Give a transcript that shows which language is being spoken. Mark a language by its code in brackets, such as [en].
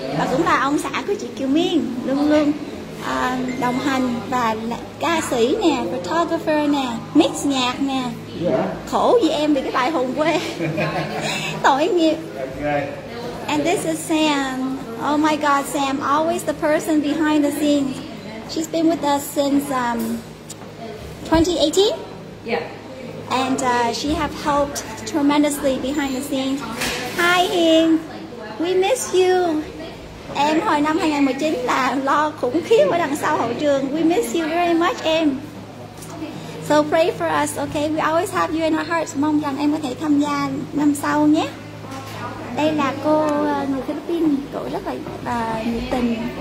[vi] Và cũng là ông xã của chị Kiều Miên. Luôn luôn đồng hành và ca sĩ nè, photographer nè, mix nhạc nè. [en] Yeah. [vi] Khổ vì em vì cái bài hùng quê. Tội nghiệp. [en] And this is Sam. Oh my god, Sam, always the person behind the scenes. She's been with us since 2018. Yeah. And she have helped tremendously behind the scenes. Hi Hiền. We miss you. [vi] Em hồi năm 2019 là lo khủng khiếp ở đằng sau hậu trường. [en] We miss you very much, em. So pray for us, okay? We always have you in our hearts. [vi] Mong rằng em có thể tham gia năm sau nhé. Đây là cô người Philippines, cô rất là nhiệt tình.